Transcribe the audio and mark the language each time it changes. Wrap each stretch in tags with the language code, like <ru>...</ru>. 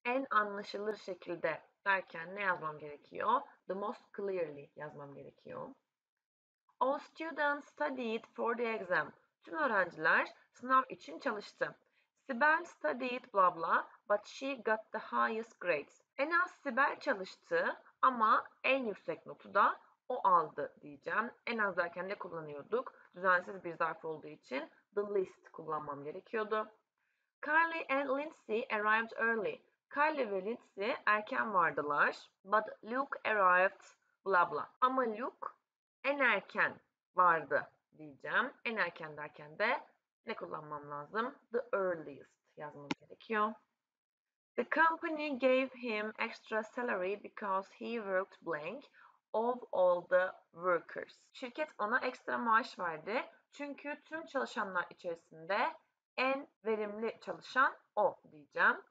<tr>En anlaşılır şekilde derken ne yazmam gerekiyor?</tr> <en>The most clearly</en> <tr>yazmam gerekiyor.</tr> <en>All students studied for the exam.</en> <tr>Tüm öğrenciler sınav için çalıştı.</tr> <en>Sibel studied blah blah but she got the highest grades.</en> <tr>En az Sibel çalıştı ama en yüksek notu da o aldı diyeceğim. En az derken ne kullanıyorduk? Düzensiz bir zarf olduğu için the least kullanmam gerekiyordu.</tr> <en>Carly and Lindsay arrived early.</en> <tr>Carly ve Lindsay erken vardılar.</tr> <en>But Luke arrived blah blah.</en> <tr>Ama Luke en erken vardı diyeceğim. En erken derken de ne kullanmam lazım? The earliest yazmam gerekiyor.</tr> <en>The company gave him extra salary because he worked blank of all the workers.</en> <tr>Şirket ona ekstra maaş verdi. Çünkü tüm çalışanlar içerisinde en verimli çalışan o diyeceğim.</tr>